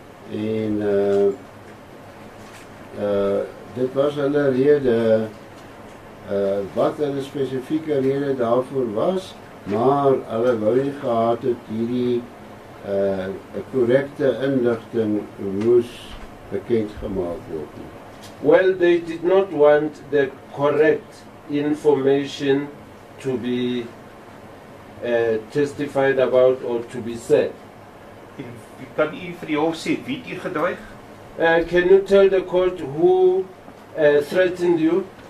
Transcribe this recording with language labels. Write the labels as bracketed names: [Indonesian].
[English] And that was another reason, what a specific reason daarvoor was. [Afrikaans] Maar hulle wou nie gehad het hierdie korrekte inligting moes bekend gemaak word nie. [English] Well, they did not want the correct information to be testified about or to be said. [Afrikaans] Kan u vir die hof sê wie het u gedreig? [English] Can you tell the court who threatened you?